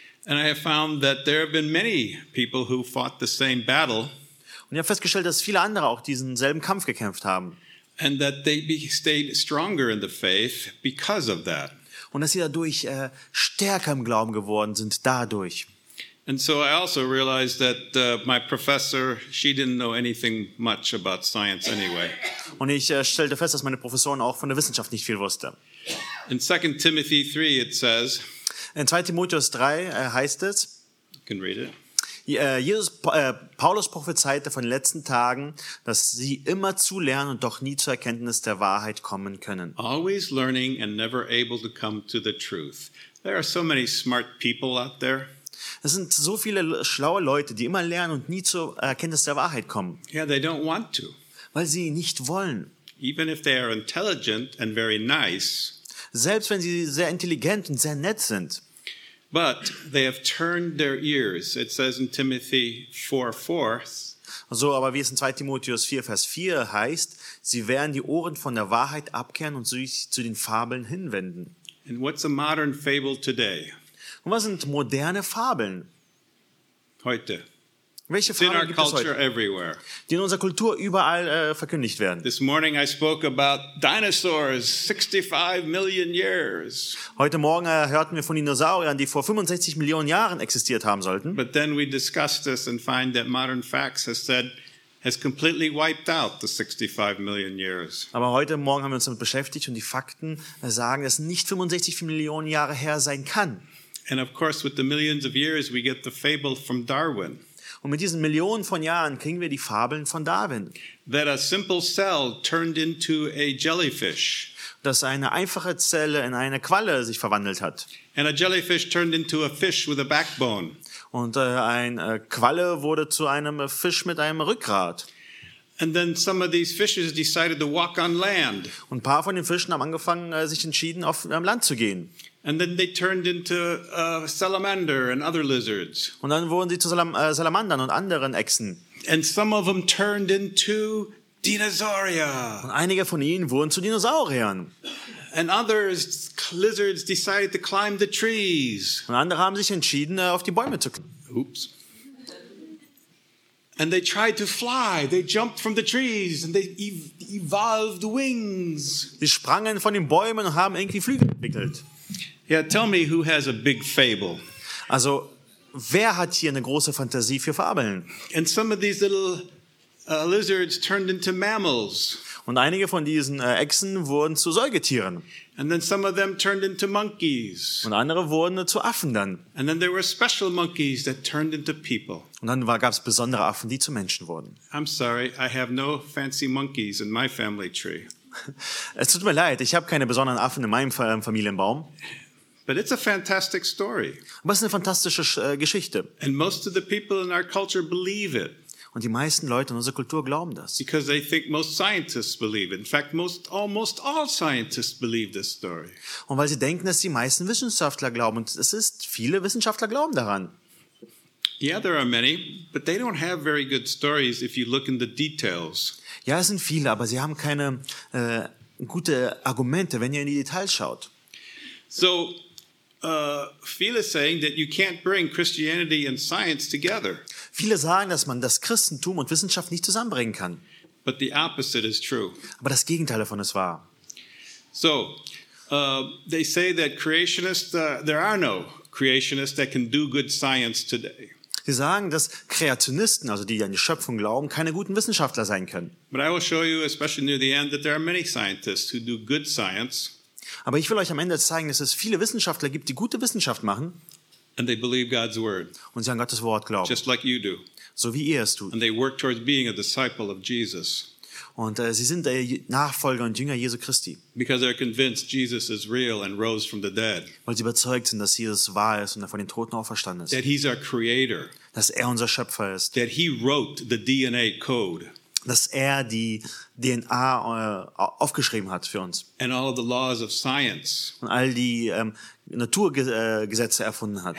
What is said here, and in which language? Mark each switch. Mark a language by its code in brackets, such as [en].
[en] And I have found that there have been many people who fought the same battle. [de] Und ich habe festgestellt, dass viele andere auch diesen selben Kampf gekämpft haben. [en] And that they stayed stronger in the faith because of that. [de] Und dass sie dadurch stärker im Glauben geworden sind dadurch. [en] And so I also realized that my professor, she didn't know anything much about science anyway. [de] Und ich stellte fest, dass meine Professorin auch von der Wissenschaft nicht viel wusste. [en] In 2 Timothy 3 it says, [de] in 2 Timotheus 3 heißt es, [en] you can read it. [de] Jesus, Paulus prophezeite von den letzten Tagen, dass sie immer zu lernen und doch nie zur Erkenntnis der Wahrheit kommen können. [en] Always learning and never able to come to the truth. There are so many smart people out there. [de] Es sind so viele schlaue Leute, die immer lernen und nie zur Erkenntnis der Wahrheit kommen. [en] Yeah, they don't want to. [de] Weil sie nicht wollen. [en] Even if they are intelligent and very nice. [de] Selbst wenn sie sehr intelligent und sehr nett sind. [en] But they have turned their ears. It says in Timothy 4:4. [de] So, aber wie es in 2 Timotheus 4, Vers 4 heißt, sie werden die Ohren von der Wahrheit abkehren und sich zu den Fabeln hinwenden. [en] And what's a modern fable today? [de] Und was sind moderne Fabeln? Heute. Welche Fabeln gibt es heute? [en] Everywhere. [de] Die in unserer Kultur überall verkündigt werden. [en] This morning I spoke about dinosaurs, 65 million years. [de] Heute Morgen hörten wir von Dinosauriern, die vor 65 Millionen Jahren existiert haben sollten. [en] But then we discussed this and find that modern facts has completely wiped out the 65 million years. [de] Aber heute Morgen haben wir uns damit beschäftigt und die Fakten sagen, dass nicht 65 Millionen Jahre her sein kann. [en] And of course, with the millions of years, we get the fable from Darwin. [de] Und mit diesen Millionen von Jahren kriegen wir die Fabeln von Darwin. [en] That a simple cell turned into a jellyfish. [de] Dass eine einfache Zelle in eine Qualle sich verwandelt hat. [en] And a jellyfish turned into a fish with a backbone. [de] Und eine Qualle wurde zu einem Fisch mit einem Rückgrat. [en] And then some of these fishes decided to walk on land. [de] Und ein paar von den Fischen haben angefangen, sich entschieden, auf dem Land zu gehen. [en] And then they turned into salamander and other lizards. [de] Und dann wurden sie zu Salamandern und anderen Echsen. [en] And some of them turned into dinosauria. [de] Und einige von ihnen wurden zu Dinosauriern. [en] And others, lizards decided to climb the trees. Und andere haben sich entschieden, auf die Bäume zu klettern. Oops. And they tried to fly. They jumped from the trees and they evolved wings. [de] Sie sprangen von den Bäumen und haben irgendwie Flügel entwickelt. [en] Yeah, tell me who has a big fable. [de] Also, wer hat hier eine große Fantasie für Fabeln? [en] And some of these little lizards turned into mammals. [de] Und einige von diesen Echsen wurden zu Säugetieren. [en] And then some of them turned into monkeys. [de] Und andere wurden zu Affen dann. [en] And then there were special monkeys that turned into people. [de] Und dann gab es besondere Affen, die zu Menschen wurden. [en] I'm sorry, I have no fancy monkeys in my family tree. [de] Es tut mir leid, ich habe keine besonderen Affen in meinem Familienbaum. [en] But it's a fantastic story. [de] Aber es ist eine fantastische Geschichte. [en] And most of the people in our culture believe it. [de] Und die meisten Leute in unserer Kultur glauben das. [en] Because they think most scientists believe it. In fact, almost all scientists believe this story. [de] Und weil sie denken, dass die meisten Wissenschaftler glauben. Und es ist, viele Wissenschaftler glauben daran. [en] Yeah, there are many, but they don't have very good stories if you look in the details. [de] Ja, es sind viele, aber sie haben keine gute Argumente, wenn ihr in die Details schaut. [en] So, [de] viele [en] saying that you can't bring Christianity and science together. [de] Viele sagen, dass man das Christentum und Wissenschaft nicht zusammenbringen kann. [en] But the opposite is true. [de] Aber das Gegenteil davon ist wahr. [en] So, they say that creationists, there are no creationists that can do good science today. [de] Sie sagen, dass Kreationisten, also die an die Schöpfung glauben, keine guten Wissenschaftler sein können. [en] But I will show you, especially near the end, that there are many scientists who do good science. [de] Aber ich will euch am Ende zeigen, dass es viele Wissenschaftler gibt, die gute Wissenschaft machen. [en] And they believe God's word. [de] Und sie an Gottes Wort glauben. [en] Just like you do. [de] So wie ihr es tut. [en] And they work towards being a disciple of Jesus. [de] Und sie sind Nachfolger und Jünger Jesu Christi. [en] Because they're convinced Jesus is real and rose from the dead. [de] Weil sie überzeugt sind, dass Jesus wahr ist und er von den Toten auferstanden ist. [en] That he's our creator. [de] Dass er unser Schöpfer ist. [en] That he wrote the DNA code. [de] Dass er die DNA aufgeschrieben hat für uns. [en] And all of the laws of science. [de] Und all die Naturgesetze erfunden hat.